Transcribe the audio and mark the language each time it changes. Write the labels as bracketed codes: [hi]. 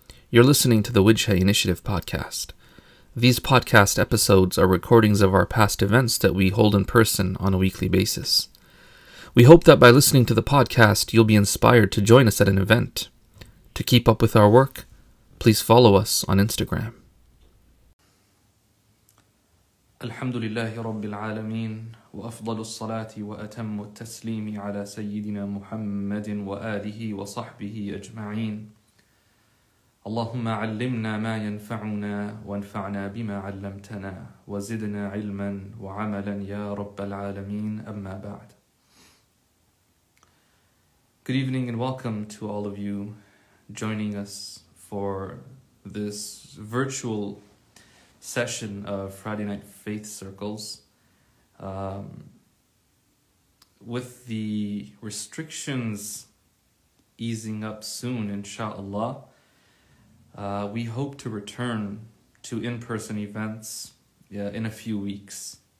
[en] You're listening to the Wijha Initiative podcast. These podcast episodes are recordings of our past events that we hold in person on a weekly basis. We hope that by listening to the podcast, you'll be inspired to join us at an event. To keep up with our work, please follow us on Instagram. [ar] Alhamdulillahi rabbil alameen. وأفضل الصلاة وأتم التسليم على سيدنا محمد وآله وصحبه أجمعين اللهم علمنا ما ينفعنا وانفعنا بما علمتنا وزدنا علما وعملا يا رب العالمين أما بعد. [en] Good evening and welcome to all of you joining us for this virtual session of Friday Night Faith Circles. With the restrictions easing up soon, inshallah, we hope to return to in-person events in a few weeks.